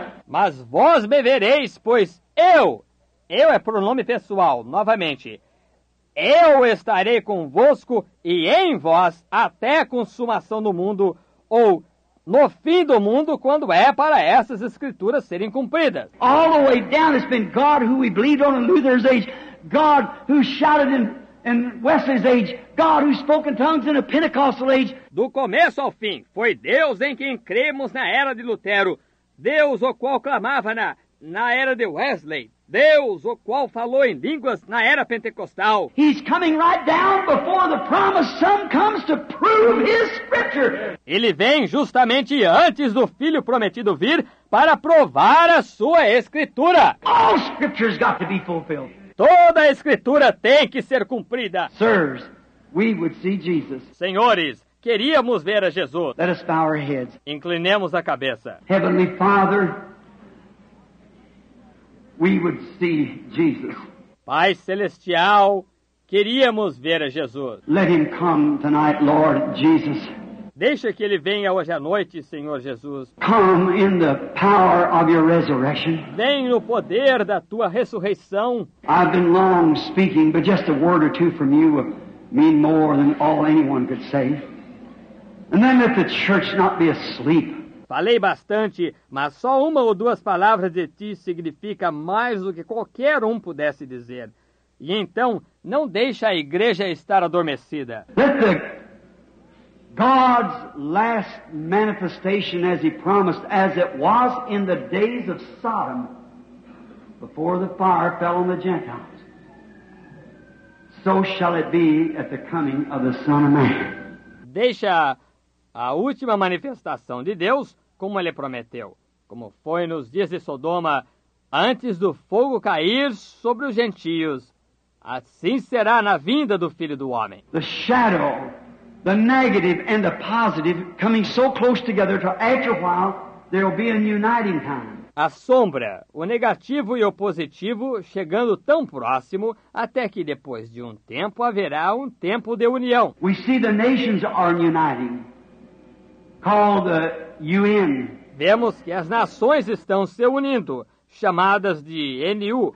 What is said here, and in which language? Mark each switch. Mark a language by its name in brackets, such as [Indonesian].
[English] Amen. [Portuguese] Mas vós me vereis, pois eu é pronome pessoal, novamente, eu estarei convosco e em vós até a consumação do mundo, ou no fim do mundo, quando é para essas escrituras serem cumpridas. [English] All the way down, it's been God who we believed on in Luther's age, God who shouted in Wesley's age, God who spoke in tongues in a Pentecostal age. [Portuguese] Do começo ao fim, foi Deus em quem cremos na era de Lutero, Deus o qual clamava na era de Wesley, Deus o qual falou em línguas na era pentecostal. [English] He's coming right down before the promised son comes to prove his scripture. [Portuguese] Ele vem justamente antes do filho prometido vir para provar a sua escritura. [English] All scripture's got to be fulfilled. [Portuguese] Toda a escritura tem que ser cumprida. [English] Sirs, we would see Jesus. [Portuguese] Senhores, queríamos ver a Jesus. [English] Let us bow our heads. [Portuguese] Inclinemos a cabeça. [English] Heavenly Father, we would see Jesus. [Portuguese] Pai Celestial, queríamos ver a Jesus. [English] Let him come tonight, Lord Jesus. [Portuguese] Deixa que ele venha hoje à noite, Senhor Jesus. [English] Come in the power of your resurrection. [Portuguese] Vem no poder da tua ressurreição. [English] I've been long speaking, but just a word or two from you mean more than all anyone could say. And then let the church not be asleep. [Portuguese] Falei bastante, mas só uma ou duas palavras de ti significa mais do que qualquer um pudesse dizer. E então, não deixe a igreja estar adormecida. [English] Let the God's last manifestation, as he promised, as it was in the days of Sodom, before the fire fell on the Gentiles, so shall it be at the coming of the Son of Man. [Portuguese] Deixa a última manifestação de Deus, como ele prometeu, como foi nos dias de Sodoma, antes do fogo cair sobre os gentios. Assim será na vinda do Filho do Homem. [English] The shadow, the negative and the positive coming so close together to after a while there will be a uniting time. [Portuguese] A sombra, o negativo e o positivo chegando tão próximo até que depois de um tempo haverá um tempo de união. [English] We see the nations are uniting. Called the UN. [Portuguese] Vemos que as nações estão se unindo, chamadas de NU.